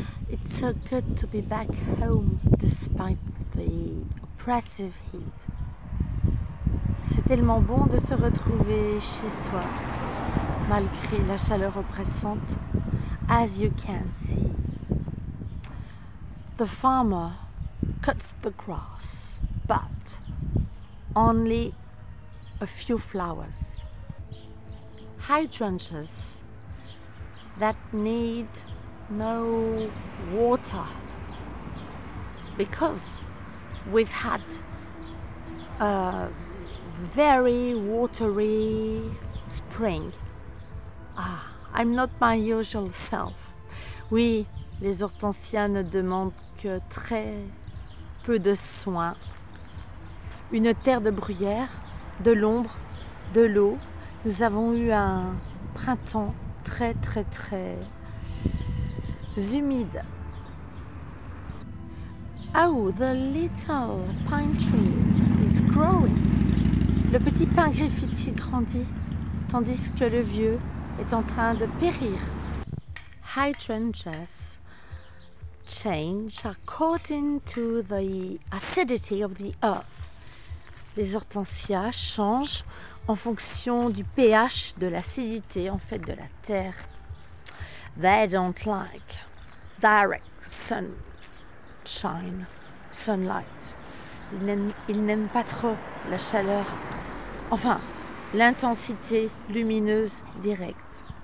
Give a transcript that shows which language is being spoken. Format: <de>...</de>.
<en>It's so good to be back home despite the oppressive heat.</en> <fr>C'est tellement bon de se retrouver chez soi malgré la chaleur oppressante.</fr> <en>As you can see, the farmer cuts the grass, but only a few flowers, hydrangeas that need no water, because we've had a very watery spring. Ah, I'm not my usual self.</en> <fr>Oui, les hortensias ne demandent que très peu de soins. Une terre de bruyère, de l'ombre, de l'eau. Nous avons eu un printemps très très très humide.</fr> <en>Oh, the little pine tree is growing.</en> <fr>Le petit pin griffiti grandit, tandis que le vieux est en train de périr.</fr> <en>Hydrangeas change according to the acidity of the earth.</en> <fr>Les hortensias changent en fonction du pH, de l'acidité, en fait, de la terre.</fr> <en>They don't like direct sunshine, sunlight.</en> <fr>Ils n'aiment pas trop la chaleur, enfin, l'intensité lumineuse directe.</fr>